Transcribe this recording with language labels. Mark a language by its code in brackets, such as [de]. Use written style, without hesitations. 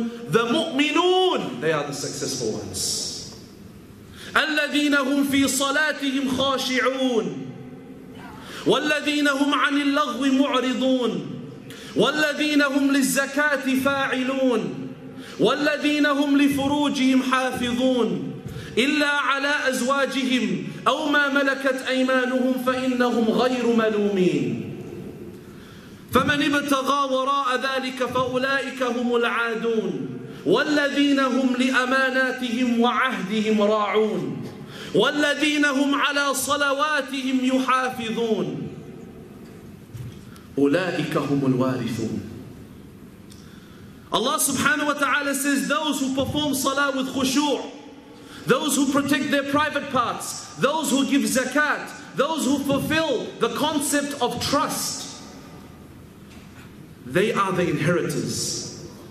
[en] The mu'minun, they are the successful ones. [ar] الَّذِينَ هُمْ فِي صَلَاتِهِمْ خَاشِعُونَ وَالَّذِينَ هُمْ عَنِ اللَّغْوِ مُعْرِضُونَ وَالَّذِينَ هُمْ لِلزَّكَاةِ فَاعِلُونَ وَالَّذِينَ هُمْ لِفُرُوجِهِمْ حَافِظُونَ إلا على أزواجهم أو ما ملكت أيمانهم فإنهم غير ملومين فمن ابتغى وراء ذلك فأولئك هم العادون والذين هم لأماناتهم وعهدهم راعون والذين هم على صلواتهم يحافظون أولئك هم الوارثون. الله سبحانه وتعالى [en] says, those who perform salah with khushu, those who protect their private parts, those who give zakat, those who fulfill the concept of trust, they are the inheritors.